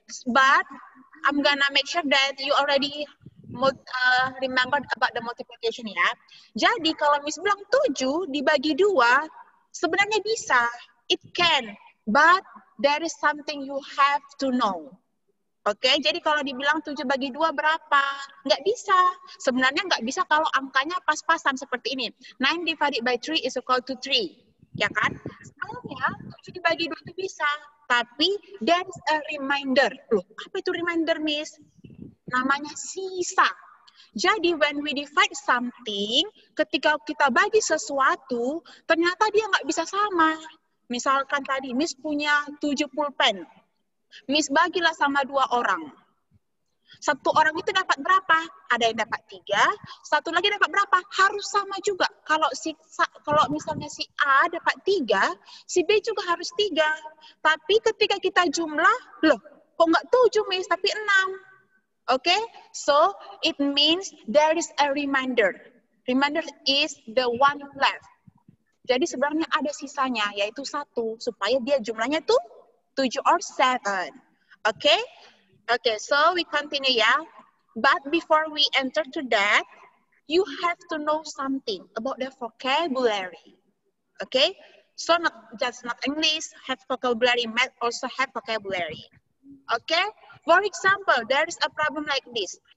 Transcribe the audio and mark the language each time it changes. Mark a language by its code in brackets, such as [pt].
[en] But I'm gonna make sure that you already remembered about the multiplication ya. [id] Jadi kalau Miss bilang 7 dibagi 2, sebenarnya bisa. [en] It can. But there is something you have to know. [id] Okay? Jadi kalau dibilang 7 bagi 2 berapa? Nggak bisa. Sebenarnya nggak bisa kalau angkanya pas-pasan seperti ini. [en] 9 divided by 3 is equal to 3. [id] Ya kan? Sebenarnya 7 dibagi 2 itu bisa. Tapi [en] there's a reminder. [id] Loh, apa itu reminder, Miss? Namanya sisa. Jadi [en] when we divide something, [id] ketika kita bagi sesuatu, ternyata dia nggak bisa sama. Misalkan tadi Miss punya 7 pulpen. Miss bagilah sama 2 orang. Satu orang itu dapat berapa? Ada yang dapat 3, satu lagi dapat berapa? Harus sama juga. Kalau misalnya si A dapat 3, si B juga harus 3. Tapi ketika kita jumlah, loh, kok enggak 7 Miss tapi 6. Oke? [en] So it means there is a reminder. Reminder is the one left. [id] Jadi sebenarnya ada sisanya, yaitu 1, supaya dia jumlahnya tuh 7 or 7. [en] Okay? Okay, so we continue, yeah? But before we enter to that, you have to know something about the vocabulary. Okay? So not just not English have vocabulary, math also have vocabulary. Okay? For example, there is a problem like this.